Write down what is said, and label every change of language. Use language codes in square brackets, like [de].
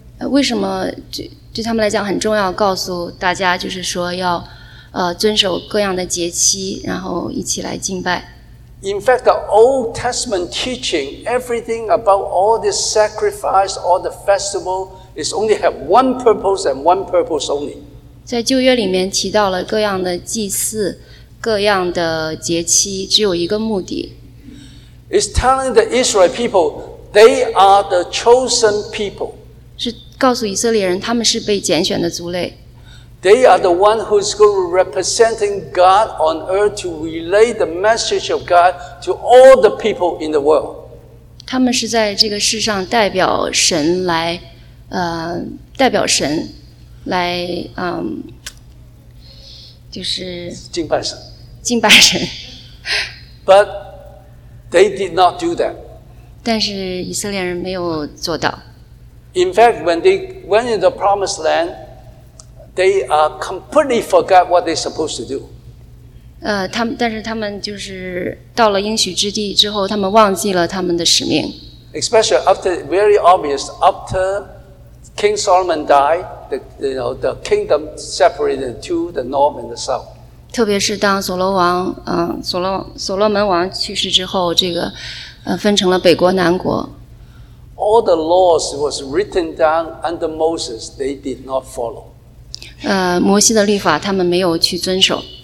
[zh] 为什么对他们来讲很重要？告诉大家就是说要遵守各样的节期，然后一起来敬拜。 [en] In fact, the Old Testament teaching everything about all this sacrifice, all the festival is only have one purpose and one purpose only. [zh] 在旧约里面提到了各样的祭祀，各样的节期，只有一个目的。 [en] It's telling the Israel people they are the chosen people. [zh] 是告诉以色列人他们是被拣选的族类。 [en] They are the one who is going to representing God on earth to relay the message of God to all the people in the world. [zh] 他们是在这个世上代表神来，代表神。来，就是敬拜神，敬拜神。 [en] But they did not do that. [zh] 但是以色列人没有做到。 [en] In fact, when they went into the promised land, they completely forgot what they're supposed to do. [zh] 他们，但是他们就是到了应许之地之后，他们忘记了他们的使命。 [en] Especially after very obvious after King Solomon died. The kingdom separated into the north and the south. [zh] 特别是当所罗王，所罗门王去世之后，这个，分成了北国南国。 [en] All the laws was written down under Moses. They did not follow. [zh] 摩西的律法他们没有去遵守。